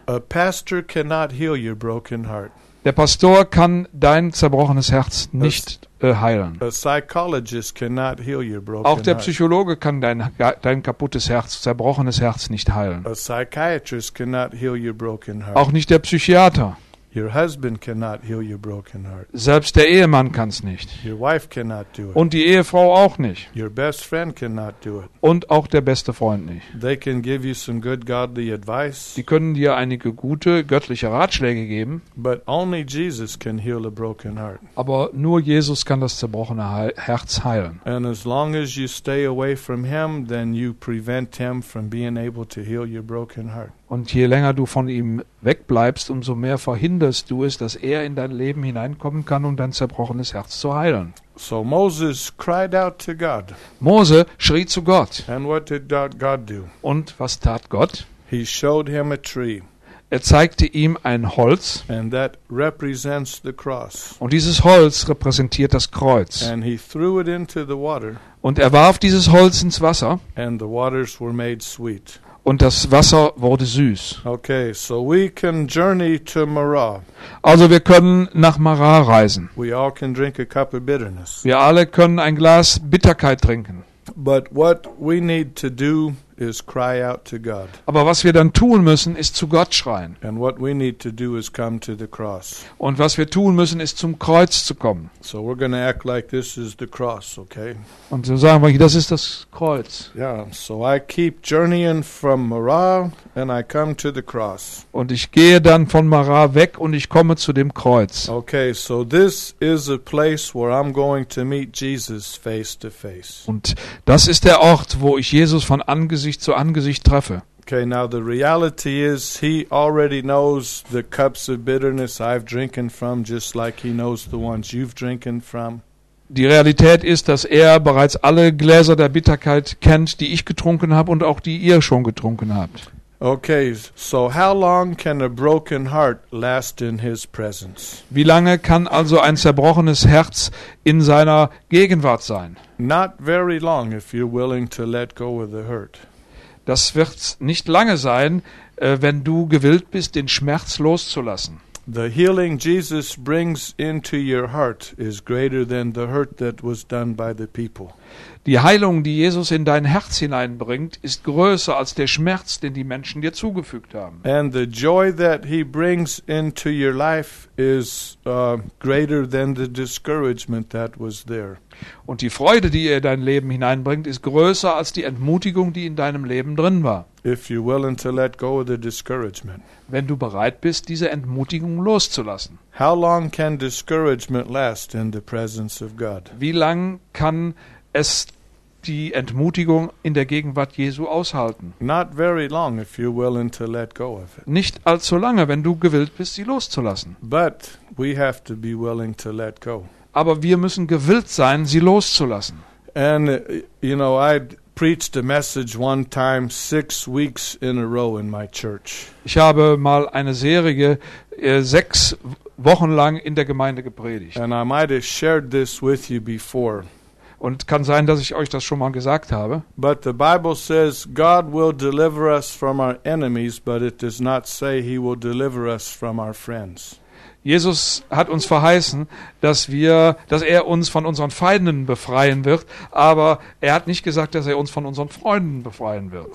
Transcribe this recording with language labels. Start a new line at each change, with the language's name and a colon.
English: A pastor cannot heal your broken heart.
German: Der Pastor kann dein zerbrochenes Herz nicht heilen.
English: A psychologist cannot heal your broken heart.
German: Auch der Psychologe kann dein kaputtes Herz, zerbrochenes Herz nicht heilen.
English: A psychiatrist cannot heal your broken heart.
German: Auch nicht der Psychiater.
English: Your husband cannot heal your broken heart.
German: Selbst der Ehemann kann es nicht.
English: Your wife cannot do it.
German: Und die Ehefrau auch nicht.
English: Your best friend cannot do it.
German: Und auch der beste Freund nicht.
English: They can give you some good godly advice.
German: Die können dir einige gute göttliche Ratschläge geben.
English: But only Jesus can heal a broken heart.
German: Aber nur Jesus kann das zerbrochene Herz heilen.
English: And as long as you stay away from him, then you prevent him from being able to heal your broken heart.
German: Und je länger du von ihm wegbleibst, umso mehr verhindert verhinderst du es, dass er in dein Leben hineinkommen kann, um dein zerbrochenes Herz zu heilen.
English: So Moses cried out to God.
German: Mose schrie zu Gott.
English: And what did God do?
German: Und was tat Gott?
English: He showed him a tree.
German: Er zeigte ihm ein Holz.
English: And that represents the cross.
German: Und dieses Holz repräsentiert das Kreuz.
English: And he threw it into the water.
German: Und er warf dieses Holz ins Wasser.
English: And the waters were made sweet.
German: Und das Wasser wurde süß.
English: Okay, so we can journey to Marah.
German: Also wir können nach Marah reisen.
English: We all can drink a cup of bitterness.
German: Wir alle können ein Glas Bitterkeit trinken.
English: But what we need to do is cry out to God.
German: Aber was wir dann tun müssen, ist zu Gott schreien.
English: And what we need to do is come to the cross.
German: Und was wir tun müssen, ist zum Kreuz zu kommen.
English: So we're going to act like this is the cross, okay?
German: Und so sagen wir, das ist das Kreuz.
English: Yeah, so I keep journeying from Marah and I come to the cross.
German: Und ich gehe dann von Marah weg und ich komme zu dem Kreuz.
English: Okay, so this is a place where I'm going to meet Jesus face to face.
German: Und das ist der Ort, wo ich Jesus von Angesicht zu Angesicht treffe.
English: Okay, now the reality is he already knows the cups of bitterness I've drinking from, just like he knows the ones you've drinking from.
German: Die Realität ist, dass er bereits alle Gläser der Bitterkeit kennt, die ich getrunken habe und auch die ihr schon getrunken habt.
English: Okay, so how long can a broken heart last in his presence?
German: Wie lange kann also ein zerbrochenes Herz in seiner Gegenwart sein?
English: Not very long if you're willing to let go of the hurt.
German: Das wird nicht lange sein, wenn du gewillt bist, den Schmerz loszulassen.
English: The healing Jesus brings into your heart is greater than the hurt that was done by the people.
German: Die Heilung, die Jesus in dein Herz hineinbringt, ist größer als der Schmerz, den die Menschen dir zugefügt haben.
English: And the joy that he brings into your life is greater than the discouragement that was there.
German: Und die Freude, die er in dein Leben hineinbringt, ist größer als die Entmutigung, die in deinem Leben drin war.
English: If you're willing to let go of the discouragement.
German: Wenn du bereit bist, diese Entmutigung loszulassen.
English: How long can discouragement last in the presence of God?
German: Wie lang kann es die Entmutigung in der Gegenwart Jesu aushalten?
English: Not very long if you're willing to let go of it.
German: Nicht allzu lange, wenn du gewillt bist, sie loszulassen.
English: But we have to be willing to let go.
German: Aber wir müssen gewillt sein, sie loszulassen.
English: And you know, I preached a message one time 6 weeks in a row in my church.
German: Ich habe mal eine Serie 6 Wochen lang in der Gemeinde gepredigt.
English: And I might have shared this with you before.
German: Und kann sein, dass ich euch das schon mal gesagt habe.
English: But the Bible says God will deliver us from our enemies, but it does not say he will deliver us from our friends.
German: Jesus hat uns verheißen, dass er uns von unseren Feinden befreien wird, aber er hat nicht gesagt, dass er uns von unseren Freunden befreien wird.